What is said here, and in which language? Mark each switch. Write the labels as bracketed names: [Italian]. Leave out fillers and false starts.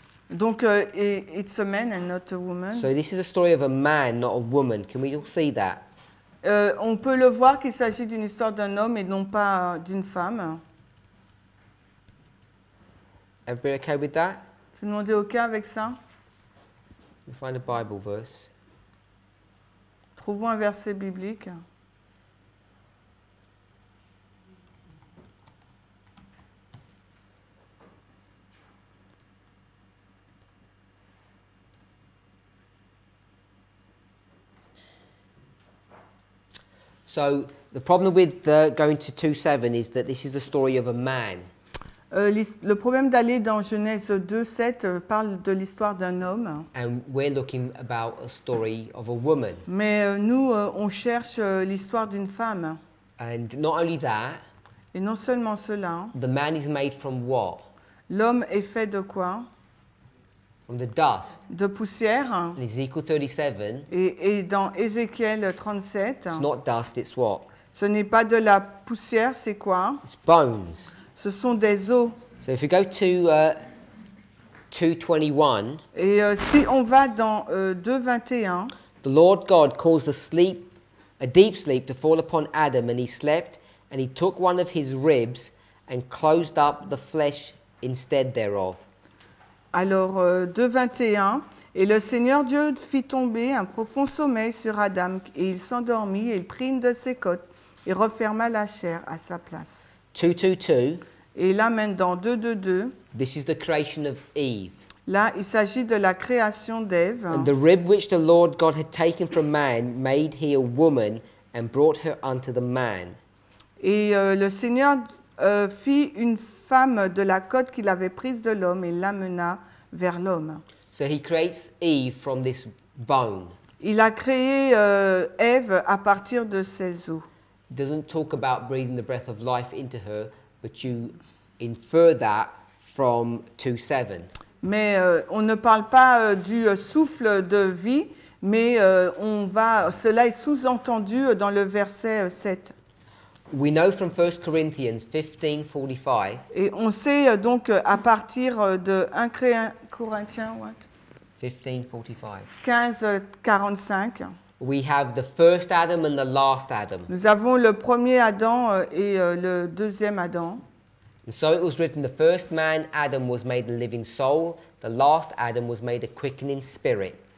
[English] Donc, it's a man and not a woman. So this is a story of a man, not a woman. Can we all see that? [French] On peut le voir qu'il s'agit d'une histoire d'un homme et non pas d'une femme. [English] Everybody okay with that? [French] Tout le monde est OK avec ça? [English] We find a Bible verse. [French] Trouvons un verset biblique. [English] So the problem with going to 2:7 is that this is a story of a man. [French] Le problème d'aller dans Genèse 2:7 parle de l'histoire d'un homme. [English] And we're looking about a story of a woman. [French] Mais nous on cherche l'histoire d'une femme. [English] And not only that. [French] Et non seulement cela. [English] The man is made from what? [French] L'homme est fait de quoi? [English] From the dust. [French] De poussière. [English] In Ezekiel 37. [French] Et dans Ezekiel 37. [English] It's not dust, it's what? [French] Ce n'est pas de la poussière, c'est quoi? [English] It's bones. [French] Ce sont des os. [English] So if you go to 2:21. [French] Et si on va dans 2:21. [English] The Lord God caused a deep sleep to fall upon Adam, and he slept, and he took one of his ribs and closed up the flesh instead thereof. [French] Alors, 2:21, et le Seigneur Dieu fit tomber un profond sommeil sur Adam, et il s'endormit, et il prit une de ses côtes, et referma la chair à sa place. [English] 2:22. [French] Et là, maintenant, 2:22. [English] This is the creation of Eve. [French] Là, il s'agit de la création d'Ève. [English] And the rib which the Lord God had taken from man made he a woman and brought her unto the man. [French] Et le Seigneur fit une femme de la côte qu'il avait prise de l'homme et l'amena vers l'homme. [English] So he creates Eve from this bone. [French] Il a créé Ève à partir de ses os. [English] It doesn't talk about breathing the breath of life into her, but you infer that from 2:7. [French] Mais on ne parle pas du souffle de vie, mais on va, cela est sous-entendu dans le verset 7. [English] We know from 1 Corinthians 15:45. [French] Et on sait donc à partir de 1 Corinthiens 15:45. [English] We have the first Adam and the last Adam. [French] Nous avons le premier Adam et le deuxième Adam. [English] And so it was written, the first man, Adam, was made a living soul. The last Adam was made a quickening spirit.